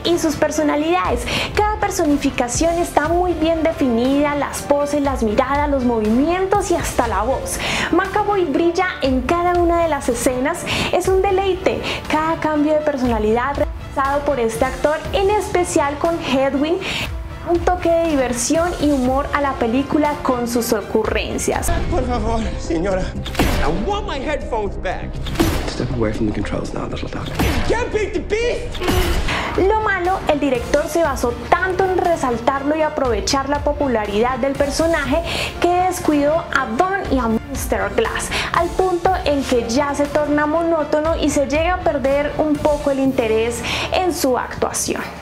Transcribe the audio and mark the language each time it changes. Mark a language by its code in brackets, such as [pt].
[es] y sus personalidades. Cada personificación está muy bien definida, las poses, las miradas, los movimientos y hasta la voz. McAvoy brilla en cada una de las escenas, es un deleite cada cambio de personalidad realizado por este actor, en especial con Hedwig. Un toque de diversión y humor a la película con sus ocurrencias. Por favor, señora. [en] I want my headphones back. Step away from the controls now, little dog. Can't beat the beast. [es] Lo malo, el director se basó tanto en resaltarlo y aprovechar la popularidad del personaje que descuidó a Don y a Mr. Glass, al punto en que ya se torna monótono y se llega a perder un poco el interés en su actuación.